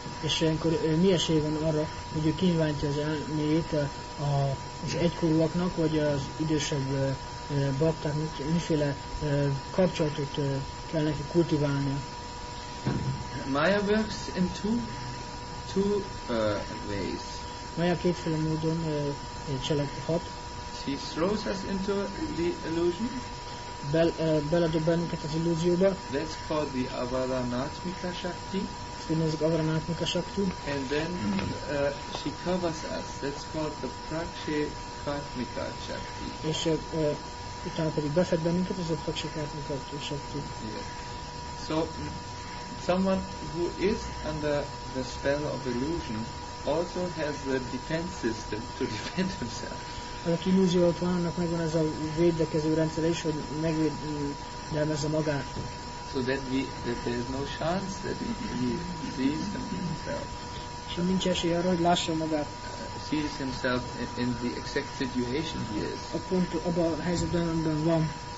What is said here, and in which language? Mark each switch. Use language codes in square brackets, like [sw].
[hu] És ilyenkor mi esély van arra, hogy ő kínvántja az elméjét az egykorúaknak, vagy az idősebb baktáknak, miféle kapcsolatot kell neki kultiválnia? [en] Maya works in two ways. [hu] Maya kétféle módon cselekedhet. [en] She throws us into the illusion. [hu] beledob bennünket az illúzióba. [en] That's called the avaranatmika shakti. [hu] Ez avaranatmika shakti. [en] And then she covers us. That's called the prakshekatmika shakti. [hu] És utána pedig befed bennünket, ez a prakshekatmika shakti. [en] So someone who is under the spell of illusion also has the defense system to defend himself. [hu] Aki illúzió alatt van, annak megvan ez a védekező rendszer is, hogy megvédelmezze magát. [en] So that there is no chance that he sees himself. [hu] És nincs esélye arra, hogy lássa magát. [en] Sees himself in the exact situation he is. [hu] A pont abban a helyzetben, amiben van.